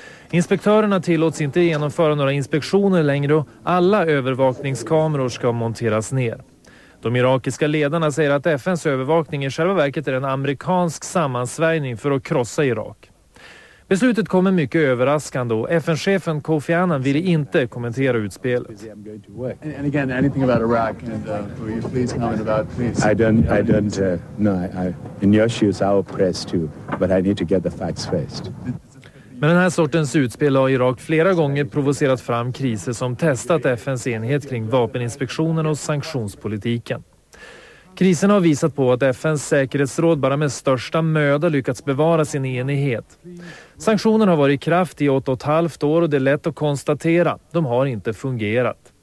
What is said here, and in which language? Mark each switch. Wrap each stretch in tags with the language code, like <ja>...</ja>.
<sv>Inspektörerna tillåts inte genomföra några inspektioner längre och alla övervakningskameror ska monteras ner. De irakiska ledarna säger att FNs övervakning i själva verket är en amerikansk sammansvärjning för att krossa Irak. Beslutet kommer mycket överraskande och FN-chefen Kofi Annan ville inte kommentera utspelet.</sv> <en>And again, anything about Iraq and will you please comment about please? In your shoes I'll press too, but I need to get the facts first.</en> <sv>Men den här sortens utspel har Irak flera gånger provocerat fram kriser som testat FNs enhet kring vapeninspektionen och sanktionspolitiken. Krisen har visat på att FNs säkerhetsråd bara med största möda lyckats bevara sin enighet. Sanktionerna har varit i kraft i 8,5 år och det är lätt att konstatera, de har inte fungerat.</sv>